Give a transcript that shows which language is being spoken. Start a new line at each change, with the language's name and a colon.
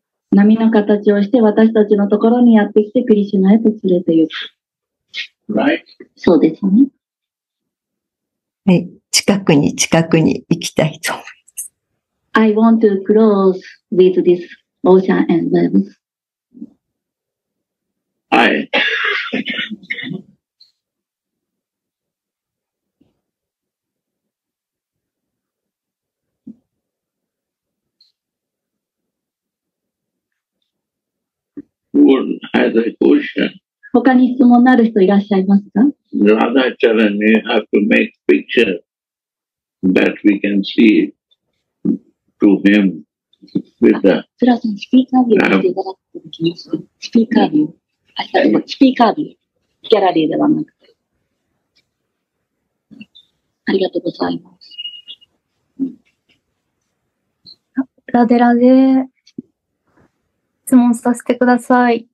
Japanese: 波の形をして私たちのところにやってきてクリシュナへと連れて行く。
English: Right.
Japanese: そうですね。はい。近くに行きたいと思います。
English: I want to close with this ocean and waves.
Japanese: はい。
English: Anyone has a question?
Japanese: 他に質問のある人いらっしゃいますか?
English: Radha Charan, you have to make picture that we can see to him with the...
Japanese: スラさん、スピーカービューを見ていただくときに、スピーカービュー。スピーカービュー。ギャラリーではなくて。ありがとうございます。ラデラで質問させてください。